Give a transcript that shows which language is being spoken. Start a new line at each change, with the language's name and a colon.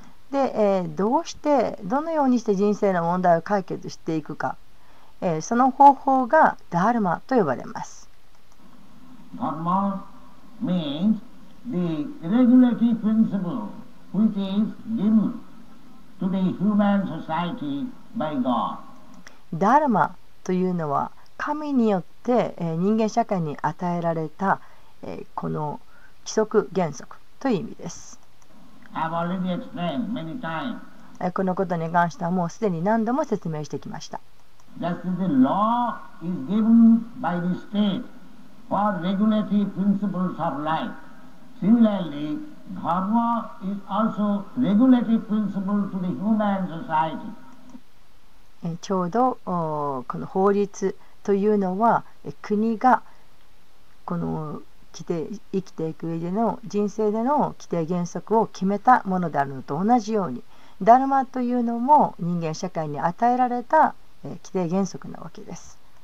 Japanese: で、どうしてどのようにして人生の問題を解決していくか、その方法がダルマと呼ばれます。
English: Dharma means the regulative principle which is given to the human society by God.
Japanese: Dharma というのは神によって人間社会に与えられたこの規則原則という意味です。
English: I've already explained many times.
Japanese: このことに関してはもうすでに何度も説明してきました。
English: Just as the law is given by the state. For regulative principles of life. Similarly, dharma is also regulative principle to the human society.
Japanese: ちょうどこの法律というのは国がこの規定、生きていく上での人生での規定原則を決めたものであるのと同じように、ダルマというのも人間社会に与えられた規定原則なわけです。